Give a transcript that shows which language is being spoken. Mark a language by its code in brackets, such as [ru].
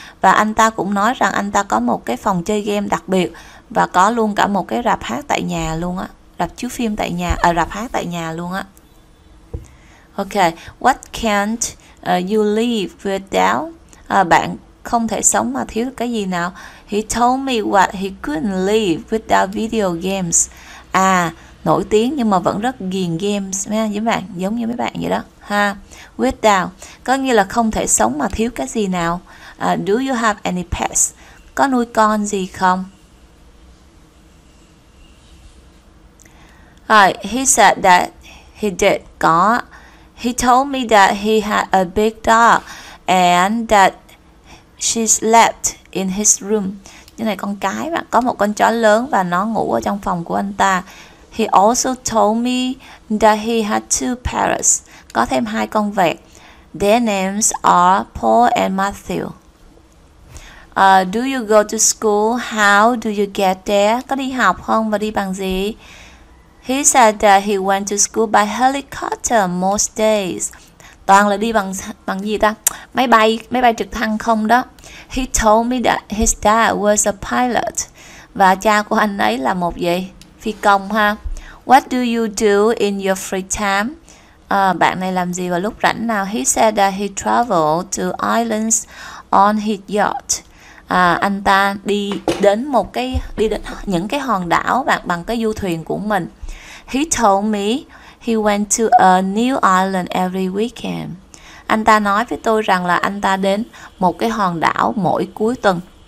[vi] Và anh ta cũng nói rằng anh ta có một cái phòng chơi game đặc biệt và có luôn cả một cái rạp hát tại nhà luôn á, rạp chiếu phim tại nhà, rạp hát tại nhà luôn á. [en] Okay, what can't you live without? [vi] Bạn không thể sống mà thiếu cái gì nào? [en] He told me what he couldn't live without video games. [vi] À, nổi tiếng nhưng mà vẫn rất ghiền games nha các bạn, giống như mấy bạn vậy đó ha. Without có nghĩa là không thể sống mà thiếu cái gì nào. [en] Do you have any pets? [vi] Có nuôi con gì không? [en] He said that he did. [vi] Có. [en] He told me that he had a big dog and that she slept in his room. [vi] Cái này con cái bạn, có một con chó lớn và nó ngủ ở trong phòng của anh ta. [en] He also told me that he had two parrots. [vi] Có thêm hai con vẹt. [en] Their names are Paul and Matthew. Do you go to school? How do you get there? [vi] Có đi học không và đi bằng gì? [en] He said that he went to school by helicopter most days. [vi] Toàn là đi bằng gì ta? Máy bay trực thăng không đó. [en] He told me that his dad was a pilot. [vi] Và cha của anh ấy là một gì? Phi công ha. [en] What do you do in your free time? [vi] Bạn này làm gì vào lúc rảnh nào? [en] He said that he traveled to islands on his yacht. [vi] Anh ta đi đến những cái hòn đảo bằng cái du thuyền của mình. [en] He told me he went to a new island every weekend. [vi] Anh ta nói với tôi rằng là anh ta đến một cái hòn đảo mỗi cuối tuần.